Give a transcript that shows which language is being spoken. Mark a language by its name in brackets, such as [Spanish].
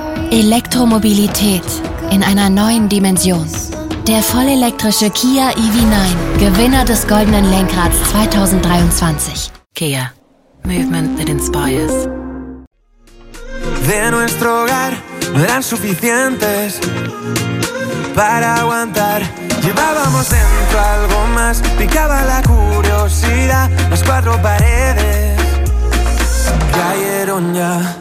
[German] Elektromobilität in einer neuen Dimension. Der vollelektrische Kia EV9. Gewinner des Goldenen Lenkrads 2023. Kia. [English] Movement that inspires. [Spanish] De nuestro hogar no eran suficientes para aguantar. Llevábamos dentro algo más. Picaba la curiosidad. Las cuatro paredes cayeron ya.